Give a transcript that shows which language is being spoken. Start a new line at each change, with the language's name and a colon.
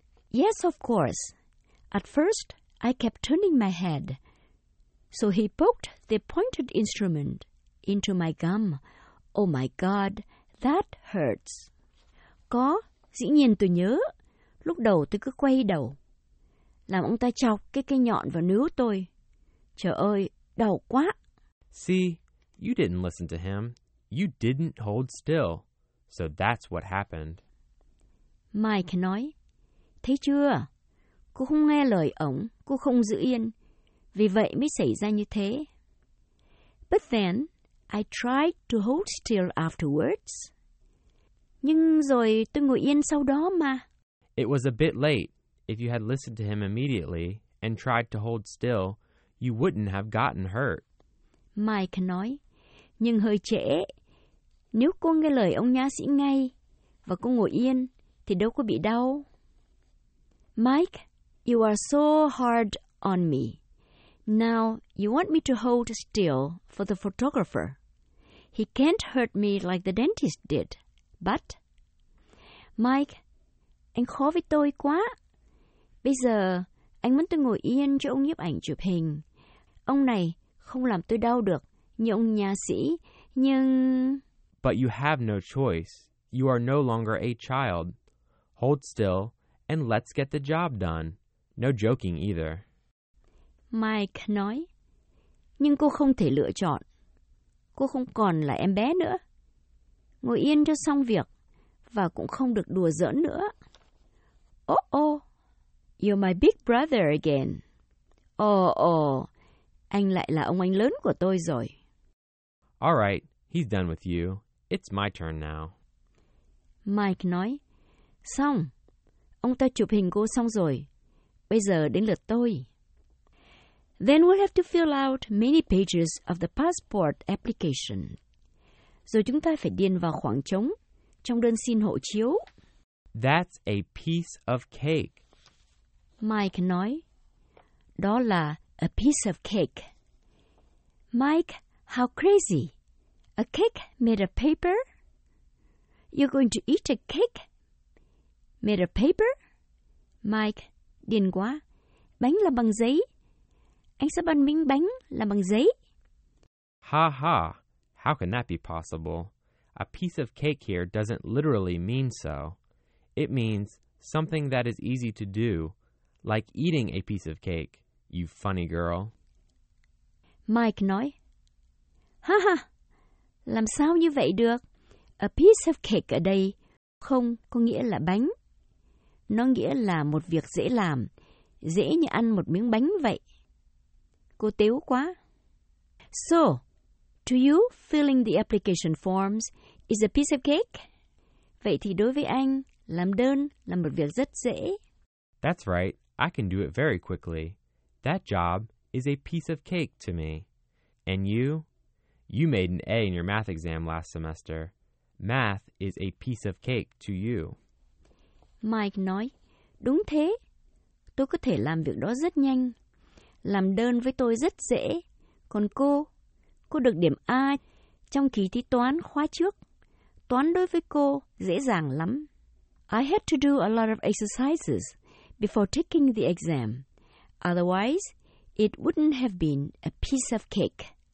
English: Yes, of course. At first, I kept turning my head. So he poked the pointed instrument into my gum. Oh my God, that hurts.
Vietnamese: Có, dĩ nhiên tôi nhớ. Lúc đầu tôi cứ quay đầu. Làm ông ta chọc cái cây nhọn vào nướu tôi. Trời ơi, đau quá.
English: See, you didn't listen to him. You didn't hold still. So that's what happened.
Vietnamese: Mike nói, thấy chưa? Cô không nghe lời ổng, cô không giữ yên. Vì vậy mới xảy ra như thế.
English: But then, I tried to hold still afterwards.
Vietnamese: Nhưng rồi tôi ngồi yên sau đó mà.
English: It was a bit late. If you had listened to him immediately and tried to hold still, you wouldn't have gotten hurt.
Vietnamese: Mike nói, nhưng hơi trễ. Nếu cô nghe lời ông nha sĩ ngay và cô ngồi yên, thì đâu có bị đau.
English: Mike, you are so hard on me. Now, you want me to hold still for the photographer. He can't hurt me like the dentist did. But,
Vietnamese: Mike, anh khó với tôi quá. Bây giờ, anh muốn tôi ngồi yên cho ông nhiếp ảnh chụp hình. Ông này không làm tôi đau được như ông nha sĩ, nhưng...
English: But you have no choice. You are no longer a child. Hold still and let's get the job done. No joking either.
Vietnamese: Mike nói, nhưng cô không thể lựa chọn. Cô không còn là em bé nữa. Ngồi yên cho xong việc và cũng không được đùa giỡn nữa.
English: Oh oh, you're my big brother again.
Vietnamese: Oh oh, anh lại là ông anh lớn của tôi rồi.
English: All right, he's done with you. It's my turn now.
Vietnamese: Mike nói, xong. Ông ta chụp hình cô xong rồi. Bây giờ đến lượt tôi.
English: Then we'll have to fill out many pages of the passport application.
Vietnamese: Rồi chúng ta phải điền vào khoảng trống trong đơn xin hộ chiếu.
English: That's a piece of cake.
Vietnamese: Mike nói, đó là
English: a piece of cake. Mike, how crazy. A cake made of paper? You're going to eat a cake made of paper?
Vietnamese: Mike, điên quá. Bánh làm bằng giấy. Anh sẽ ăn miếng bánh làm bằng giấy.
English: Ha ha, how can that be possible? A piece of cake here doesn't literally mean so. It means something that is easy to do, like eating a piece of cake, you funny girl.
Vietnamese: Mike nói, ha ha. Làm sao như vậy được?
English: A piece of cake
Vietnamese: ở đây không có nghĩa là bánh. Nó nghĩa là một việc dễ làm, dễ như ăn một miếng bánh vậy. Cô tếu quá.
English: So, to you, filling the application forms is a piece of cake?
Vietnamese: Vậy thì đối với anh, làm đơn là một việc rất dễ.
English: That's right. I can do it very quickly. That job is a piece of cake to me. And you? You made an A in your math exam last semester. Math is a piece of cake to you.
Vietnamese: Mike nói, đúng thế. Tôi có thể làm việc đó rất nhanh. Làm đơn với tôi rất dễ. Còn cô được điểm A trong kỳ thi toán khóa trước. Toán đối với cô dễ dàng lắm.
English: I had to do a lot of exercises before taking the exam. Otherwise, it wouldn't have been a piece of cake.